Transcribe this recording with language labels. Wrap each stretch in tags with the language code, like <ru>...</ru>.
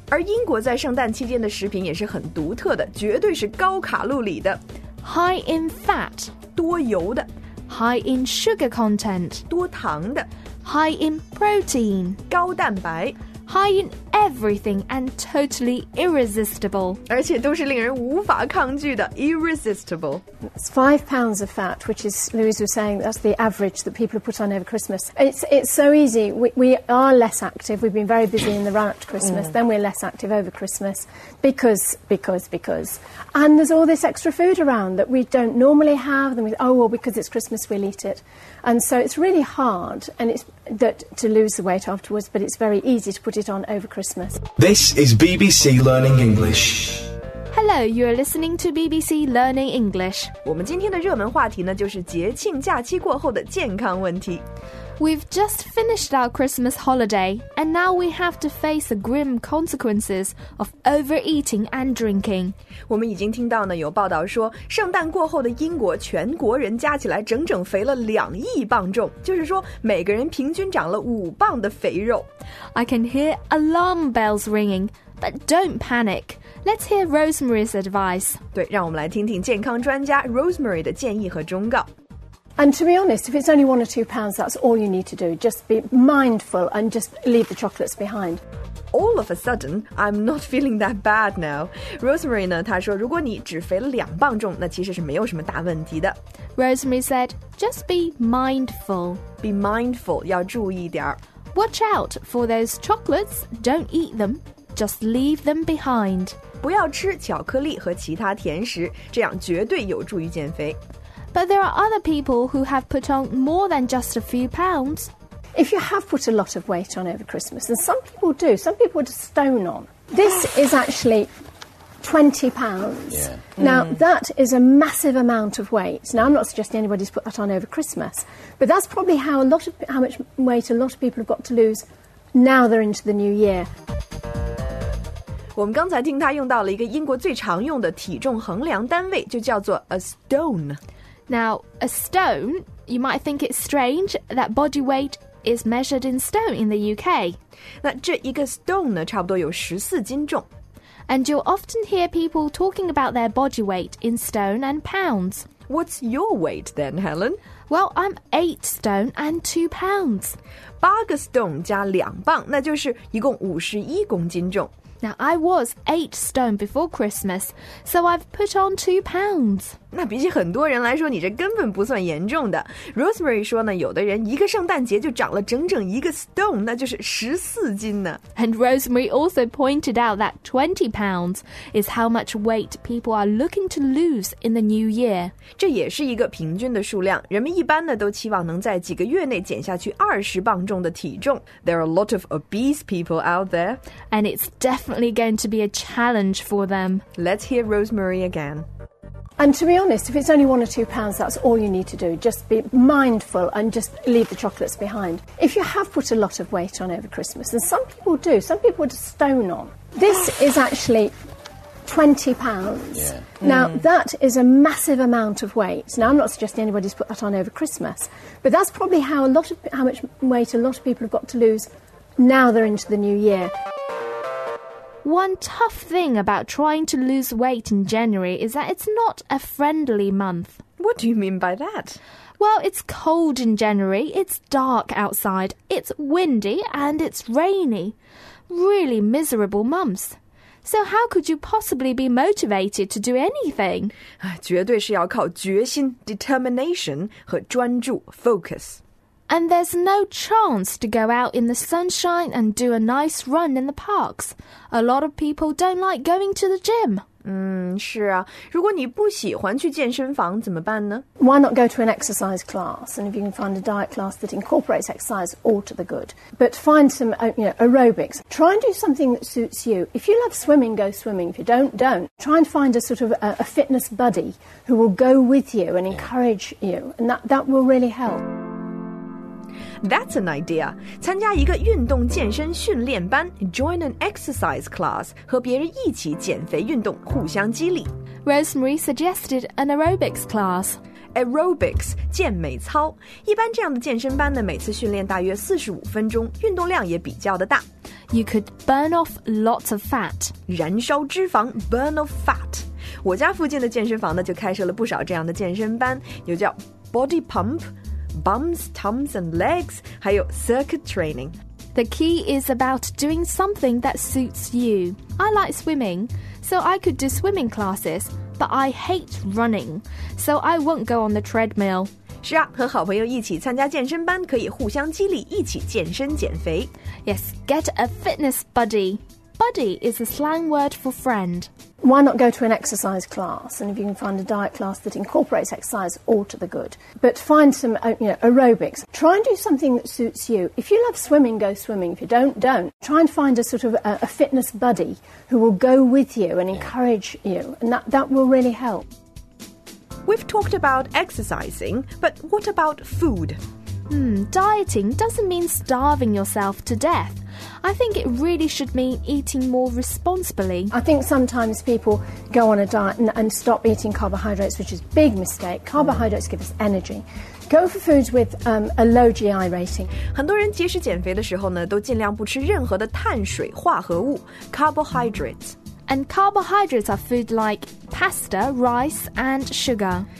<zh>而英国在圣诞期间的食品也是很独特的，绝对是高卡路里的。</zh> <en>High in fat,</en> <zh>多油的。</zh> <en>High in sugar content,</en> <zh>多糖的。</zh> <en>High in protein,</en> <zh>高蛋白。</zh> <en>High in everything and totally irresistible.</en> <zh>而且都是令人无法抗拒的 irresistible.</zh> <en>It's 5 pounds of fat, which is, Louise was saying, that's the average that people have put on over Christmas. It's so easy. We are less active. We've been very busy in the run-up to Christmas. Then we're less active over Christmas because. And there's all this extra food around that we don't normally have. Because it's Christmas, we'll eat it. And so it's really hard and to lose the weight afterwards, but it's very easy to put it on over Christmas. This is BBC Learning English. Hello, you are listening to BBC Learning English.</en> <zh>我们今天的热门话题呢，就是节庆假期过后的健康问题。</zh> <en>We've just finished our Christmas holiday, and now we have to face the grim consequences of overeating and drinking.</en> <zh>我们已经听到呢，有报道说，圣诞过后的英国全国人加起来整整肥了2亿磅重，就是说每个人平均长了5磅的肥肉。</zh> <en>I can hear alarm bells ringing, but don't panic. Let's hear Rosemary's advice.</en> <zh>对，让我们来听听健康专家 Rosemary 的建议和忠告。</zh> <en>And to be honest, if it's only 1 or 2 pounds, that's all you need to do. Just be mindful and just leave the chocolates behind. All of a sudden, I'm not feeling that bad now.</en> <zh>Rosemary 呢，她说如果你只肥了2磅重，那其实是没有什么大问题的。</zh> <en>Rosemary said, just be mindful.</en> <zh>Be mindful, 要注意点。</zh> <en>Watch out for those chocolates. Don't eat them. Just leave them behind.</en> <zh>不要吃巧克力和其他甜食，这样绝对有助于减肥。</zh> <en>But there are other people who have put on more than just a few pounds. If you have put a lot of weight on over Christmas, and some people do, some people just stone on. This is actually 20 pounds. Yeah. Now, that is a massive amount of weight. Now, I'm not suggesting anybody's put that on over Christmas, but that's probably how much weight a lot of people have got to lose now they're into the new year.</en> <zh>我们刚才听他用到了一个英国最常用的体重衡量单位，就叫做 a stone.</zh> <en>Now, a stone, you might think it's strange that body weight is measured in stone in the UK.</en> <zh>那这一个 stone 呢，差不多有14斤重。</zh> <en>And you'll often hear people talking about their body weight in stone and pounds. What's your weight then, Helen? Well, I'm 8 stone and 2 pounds.</en> <zh>8个 stone 加2磅，那就是一共51公斤重。</zh> <en>Now, I was 8 stone before Christmas, so I've put on 2 pounds.</en> <zh>那比起很多人来说，你这根本不算严重的。Rosemary 说呢，有的人一个圣诞节就长了整整一个 stone, 那就是14斤呢。</zh> <en>And Rosemary also pointed out that 20 pounds is how much weight people are looking to lose in the new year.</en> <zh>这也是一个平均的数量，人们一般呢都期望能在几个月内减下去20磅重的体重。</zh> <en>There are a lot of obese people out there. And it's definitely going to be a challenge for them. Let's hear Rosemary again. And to be honest, if it's only 1 or 2 pounds, that's all you need to do. Just be mindful and just leave the chocolates behind. If you have put a lot of weight on over Christmas, and some people do, some people just stone on. This is actually 20 pounds. Yeah. Now, that is a massive amount of weight. Now, I'm not suggesting anybody's put that on over Christmas, but that's probably how much weight a lot of people have got to lose now they're into the new year. One tough thing about trying to lose weight in January is that it's not a friendly month. What do you mean by that? Well, it's cold in January, it's dark outside, it's windy and it's rainy. Really miserable months. So how could you possibly be motivated to do anything?</en> <zh>绝对是要靠决心 determination 和专注 focus.</zh> <en>And there's no chance to go out in the sunshine and do a nice run in the parks. A lot of people don't like going to the gym.</en> <zh>是啊。如果你不喜欢去健身房怎么办呢？</zh> <en>Why not go to an exercise class? And if you can find a diet class that incorporates exercise, all to the good. But find some, aerobics. Try and do something that suits you. If you love swimming, go swimming. If you don't, don't. Try and find a sort of a fitness buddy who will go with you and encourage you. And that will really help. That's an idea.</en> <zh>参加一个运动健身训练班 join an exercise class, 和别人一起减肥运动互相激励。</zh> <en>Rosemary suggested an aerobics class.</en> <zh>Aerobics, 健美操。一般这样的健身班呢每次训练大约45分钟，运动量也比较的大。</zh> <en>You could burn off lots of fat.</en> <zh>燃烧脂肪 burn off fat. 我家附近的健身房呢就开设了不少这样的健身班，有叫 body pump,Bums, tums, and legs, 还有 circuit training.</zh> <en>The key is about doing something that suits you. I like swimming, so I could do swimming classes, but I hate running, so I won't go on the treadmill.</en> <zh>是啊，和好朋友一起参加健身班，可以互相激励，一起健身减肥。</zh> <en>Yes, get a fitness buddy. Buddy is a slang word for friend. Why not go to an exercise class? And if you can find a diet class that incorporates exercise, all to the good. But find some, aerobics. Try and do something that suits you. If you love swimming, go swimming. If you don't, don't. Try and find a sort of a fitness buddy who will go with you and encourage you. And that will really help. We've talked about exercising, but what about food? Dieting doesn't mean starving yourself to death. I think it really should mean eating more responsibly. I think sometimes people go on a diet and stop eating carbohydrates, which is a big mistake. Carbohydrates give us energy. Go for foods with a low GI rating.</en> <zh>很多人节食减肥的时候呢，都尽量不吃任何的碳水化合物 carbohydrates.</zh> <en>And carbohydrates are food like pasta, rice, and sugar.</en>